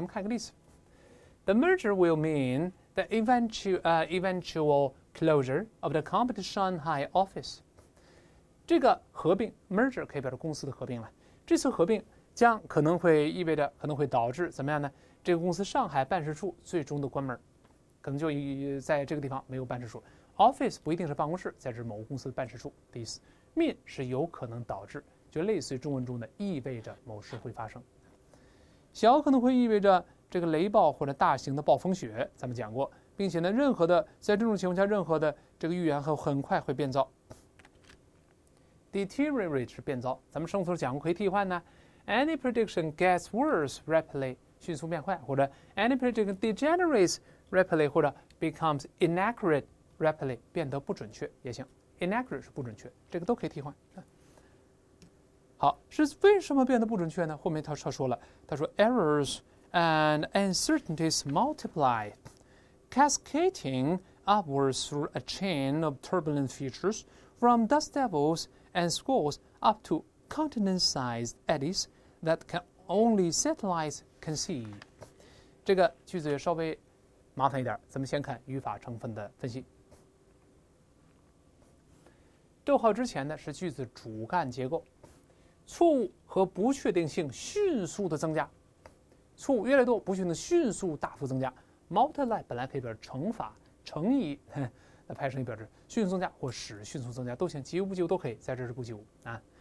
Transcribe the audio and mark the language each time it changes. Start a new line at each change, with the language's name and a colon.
Chinese: 咱们看个例子，
English: the merger will meanThe eventual closure of the company's Shanghai office.
Chinese: 这个合并 merger 可以表示公司的合并了。这次合并将可能会意味着，可能会导致怎么样呢？这个公司上海办事处最终的关门，可能就在这个地方没有办事处。 Office 不一定是办公室，在这某个公司的办事处的意思。mean 是有可能导致，就类似于中文中的意味着某事会发生。小可能会意味着这个雷暴或者大型的暴风雪，咱们讲过，并且呢，任何的在这种情况下，任何的这个预言很快会变糟。
English: Deteriorate
Chinese: 是变糟，咱们上次讲过可以替换呢。
English: Any prediction gets worse rapidly，
Chinese: 迅速变坏，
English: 或者 any prediction degenerates rapidly， 或者 becomes inaccurate rapidly，
Chinese: 变得不准确也行。 Inaccurate 是不准确，这个都可以替换。好，是为什么变得不准确呢？后面他说了，他说 errors。
English: And uncertainties multiply, cascading upwards through a chain of turbulent features, from dust devils and squalls up to continent-sized eddies that can only satellites can see.
Chinese: 这个句子稍微麻烦一点，咱们先看语法成分的分析。逗号之前呢是句子主干结构，错误和不确定性迅速的增加。错误越来越多，不确定迅速大幅增加。Multiply 本来可以表示乘法、乘以，那派生也表示迅速增加或使迅速增加都行，及物不及物都可以，在这是不及物啊。